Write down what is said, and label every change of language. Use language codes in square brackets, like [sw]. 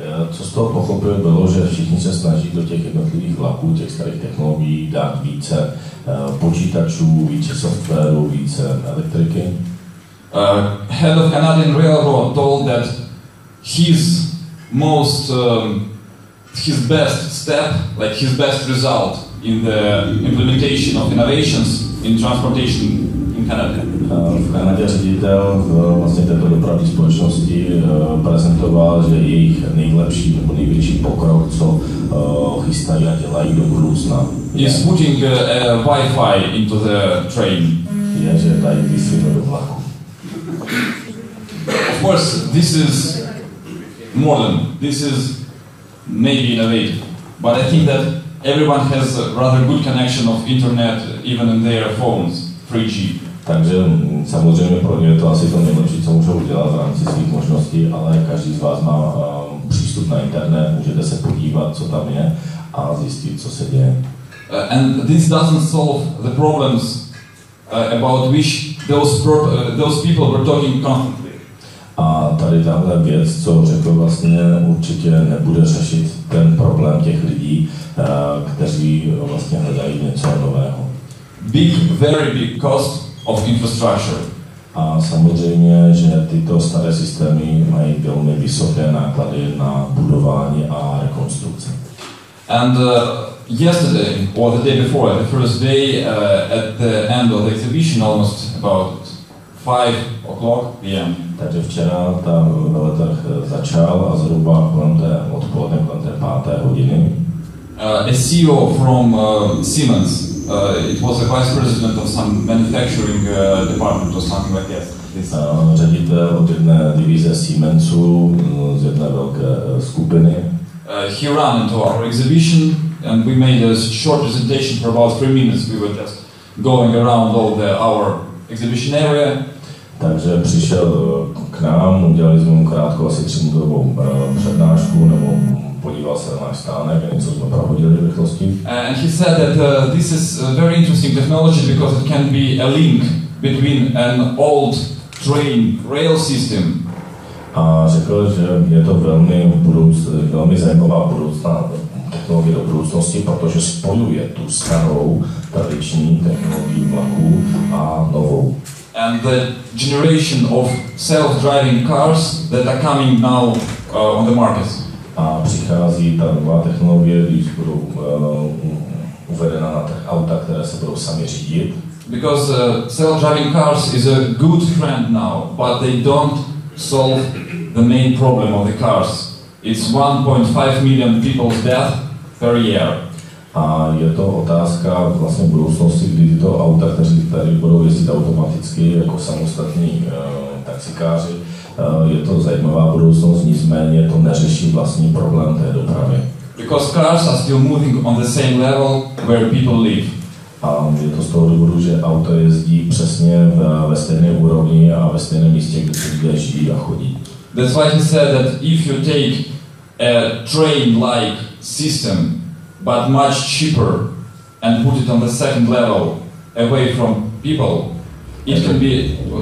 [cs] Co z toho pochopil, bylo, že všichni se snaží do těch jednotlivých vlaků, těch starých technologií dát více počítačů, více softwaru, více elektriky. [en] Head of Canadian Railroad told that his most his best step, like his best result in the implementation of innovations in transportation in Canada. [cs] V Kanadě ředitel vlastně této dopravní společnosti prezentoval, že jejich nejlepší nebo největší pokrok, co chystají a dělají do budoucna. [en] Is putting Wi-Fi into the train. [cs] Je, že dají Wi-Fi do vlaku. [en] Of course, this is modern. This is maybe innovative. But I think that everyone has a rather good connection of internet, even in their phones, 3G. [cs] Takže samozřejmě pro ně je to asi to nejlepší, co můžou udělat v rámci svých možností, ale každý z vás má přístup na internet, můžete se podívat, co tam je a zjistit, co se děje. [en] And this doesn't solve the problems about which those people were talking constantly. [cs] A tady tahle věc, co řekl vlastně, určitě nebude řešit ten problém těch lidí, kteří vlastně hledají něco nového. [en] Big, very big cost of infrastructure. [cs] A samozřejmě, že tyto staré systémy mají velmi vysoké náklady na budování a rekonstrukce. [en] And yesterday, or the day before, the first day, at the end of the exhibition, almost about 5 o'clock p.m. [cs] Takže včera ta veletrh začal a zhruba kolem té páté hodiny. [en] A CEO from Siemens. It was the vice president of some manufacturing department or something like that. [cs] Ředitel od jedné divize Siemensu, z jedné velké skupiny. [en] He ran into our exhibition and we made a short presentation for about 3 minutes. We were just going around all our exhibition area. [cs] Takže přišel k nám, udělali jsme mu krátkou asi 3 minutovou přednášku nebo podíval se na náš stánek a něco jsme prohodili rychlosti. [en] And he said that this is a very interesting technology because it can be a link between an old train rail system. [cs] A řekl, že je to velmi zajímavá budoucna technologie do budoucnosti, protože spojuje tu starou tradiční technologii vlaků a novou. [en] And the generation of self-driving cars that are coming now on the market. [cs] A přichází ta nová technologie, když budou uvedena na těch auta, které se budou sami řídit. [en] Because self-driving cars is a good friend now, but they don't solve the main problem of the cars. It's 1.5 million people's death per year. [cs] A je to otázka vlastně budoucnosti, kdy tyto auta, kteří tady budou jezdit automaticky jako samostatní taxikáři, je to zajímavá budoucnost, nicméně to neřeší vlastní problém té dopravy. [en] Because cars are still moving on the same level where people live. [cs] A je to z toho důvodu, že auto jezdí přesně ve stejné úrovni a ve stejném místě, kde se lidé žijí a chodí. [en] That's why he said that if you take a train-like system, but much cheaper, and put it on the second level, away from people, it can be...